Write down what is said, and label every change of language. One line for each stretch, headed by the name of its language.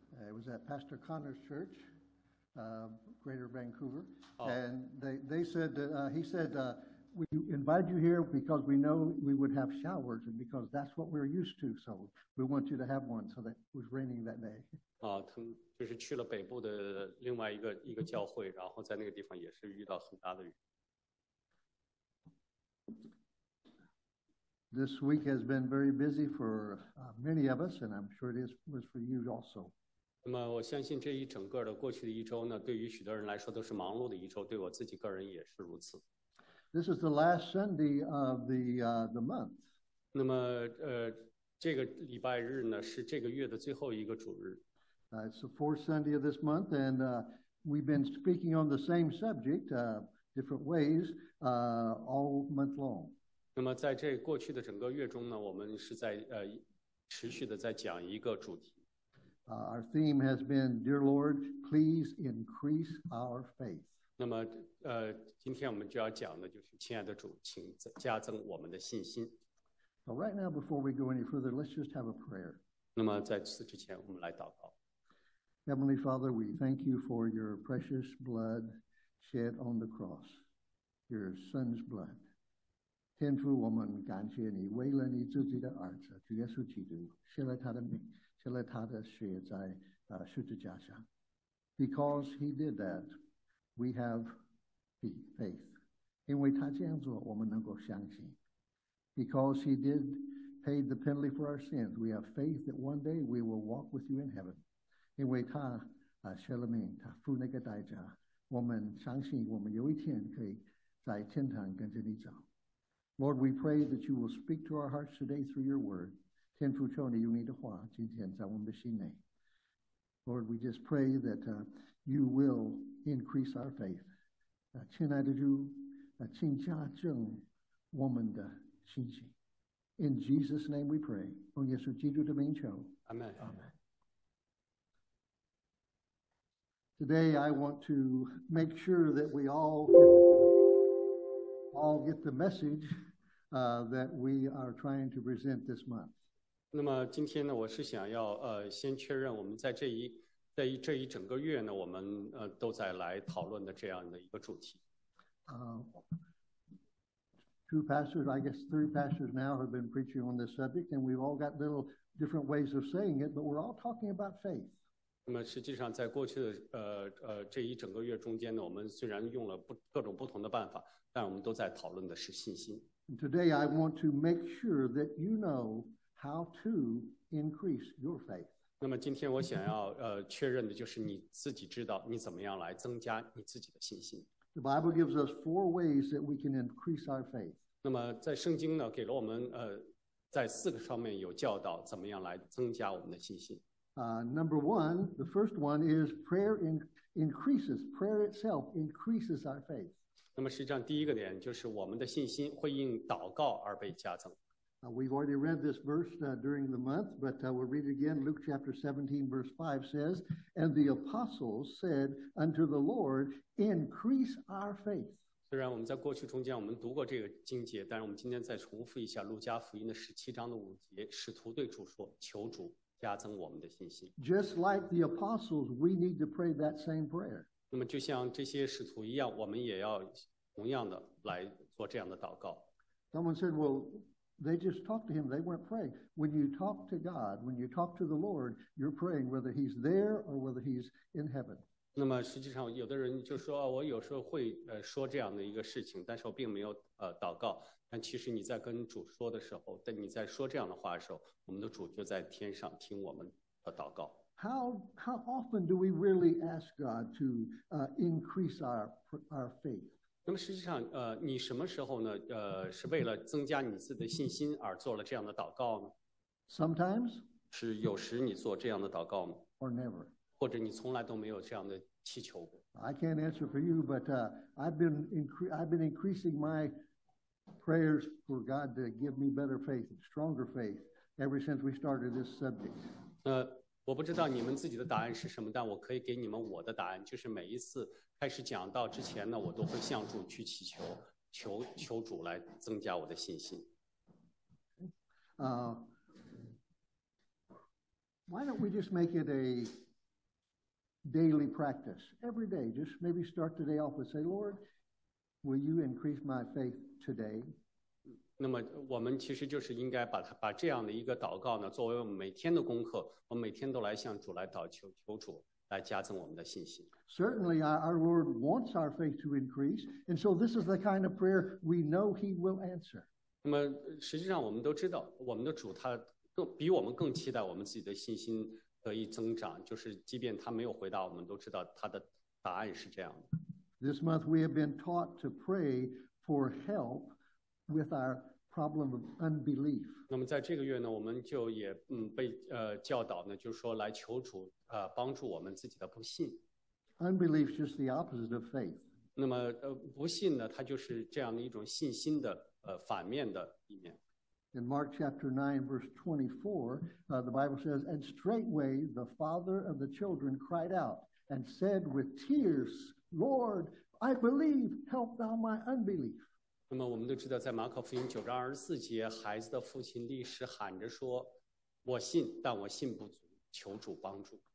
English: It was at Pastor Connor's church, Greater Vancouver, and they said that he said we invite you here because we know we would have showers and because that's what we're used to, so we want you to have one. So that it was raining that day.
Chinese: 就是去了北部的另外一个教会，然后在那个地方也是遇到很大的雨。
English: This week has been very busy for many of us, and I'm sure it was for you also.
Chinese: 那么我相信这一整个的过去的一周呢，对于许多人来说都是忙碌的一周，对我自己个人也是如此。
English: This is the last Sunday of the month.
Chinese: 那么这个礼拜日呢是这个月的最后一个主日。
English: It's the fourth Sunday of this month, and we've been speaking on the same subject, different ways, all month long.
Chinese: 那么在这过去的整个月中呢，我们是在持续的在讲一个主题。
English: Our theme has been, Dear Lord, please increase our faith.
Chinese: 那么今天我们就要讲的就是，亲爱的主，请加增我们的信心。
English: So right now, before we go any further, let's just have a prayer.
Chinese: 那么在此之前，我们来祷告。
English: Heavenly Father, we thank you for your precious blood shed on the cross, your Son's blood.
Chinese: 天父，我们感谢你，为了你自己的儿子，主耶稣基督，献了他的命，献了他的血在十字架上。
English: Because he did that, we have the faith.
Chinese: 因为他这样做，我们能够相信。
English: Because he did pay the penalty for our sins, we have faith that one day we will walk with you in heaven.
Chinese: 因为他舍了命，他付那个代价，我们相信我们有一天可以在天堂跟着你走。
English: Lord, we pray that you will speak to our hearts today through your word.
Chinese: 天父，求你用你的话今天在我们的心内。
English: Lord, we just pray that you will increase our faith.
Chinese: 亲爱的主，请加增我们的信心。
English: In Jesus' name we pray.
Chinese: 奉耶稣基督的名求。
English: Amen. Amen. Today, I want to make sure that we all get the message that we are trying to present this month.
Chinese: 那么今天呢，我是想要先确认我们在这一整个月呢，我们都在来讨论的这样的一个主题。
English: Two pastors, I guess three pastors now have been preaching on this subject, and we've all got little different ways of saying it, but we're all talking about faith.
Chinese: 那么实际上在过去的这一整个月中间呢，我们虽然用了各种不同的办法，但我们都在讨论的是信心。
English: Today I want to make sure that you know how to increase your faith.
Chinese: 那么今天我想要确认的就是你自己知道你怎么样来增加你自己的信心。
English: The Bible gives us four ways that we can increase our faith.
Chinese: 那么在圣经呢给了我们在四个方面有教导怎么样来增加我们的信心。
English: Number one, the first one is prayer increases. Prayer itself increases our faith.
Chinese: 那么实际上第一个点就是我们的信心会因祷告而被加增。
English: We've already read this verse during the month, but we'll read it again. Luke chapter 17, verse 5 says, And the apostles said unto the Lord, increase our faith.
Chinese: 虽然我们在过去中间我们读过这个经节，但是我们今天再重复一下路加福音的十七章的五节，使徒对主说，求主。
English: Just like the apostles, we need to pray that same prayer.
Chinese: 那么就像这些使徒一样，我们也要同样的来做这样的祷告。
English: Someone said, "Well, they just talked to him; they weren't praying." When you talk to God, when you talk to the Lord, you're praying whether He's there or whether He's in heaven.
Chinese: 那么实际上，有的人就说，我有时候会说这样的一个事情，但是我并没有祷告。但其实你在跟主说的时候，但你在说这样的话的时候，我们的主就在天上听我们的祷告。
English: How often do we really ask God to increase our faith?
Chinese: 那么实际上，你什么时候呢？是为了增加你自己的信心而做了这样的祷告呢
English: ？Sometimes
Chinese: 是有时你做这样的祷告吗
English: ？Or never
Chinese: 或者你从来都没有这样的祈求过。
English: I can't answer for you, but I've been increasing my prayers for God to give me better faith, stronger faith, ever since we started this subject.
Chinese: 我不知道你们自己的答案是什么，但我可以给你们我的答案，就是每一次开始讲道之前呢，我都会向主去祈求，求主来增加我的信心。
English: Why don't we just make it a daily practice every day? Just maybe start the day off and say, Lord, will you increase my faith today?
Chinese: 那么我们其实就是应该把这样的一个祷告呢，作为我们每天的功课。我每天都来向主来祷求，求主来加增我们的信心。
English: Certainly, our Lord wants our faith to increase, and so this is the kind of prayer we know He will answer.
Chinese: 那么实际上我们都知道，我们的主他比我们更期待我们自己的信心可以增长，就是即便他没有回答，我们都知道他的答案是这样的。
English: This month we have been taught to pray for help with our problem of unbelief.
Chinese: 那么在这个月呢，我们就也被教导呢，就是说来求主帮助我们自己的不信。
English: Unbelief is just the opposite of faith.
Chinese: 那么不信呢，它就是这样的一种信心的反面的一面。
English: In Mark chapter 9, verse 24, the Bible says, And straightway the father of the children cried out and said with tears, Lord, I believe, help thou my unbelief.
Chinese: 那么我们都知道在马可福音九章二十四节，孩子的父亲立时喊着说，我信，但我信不足，求主帮助。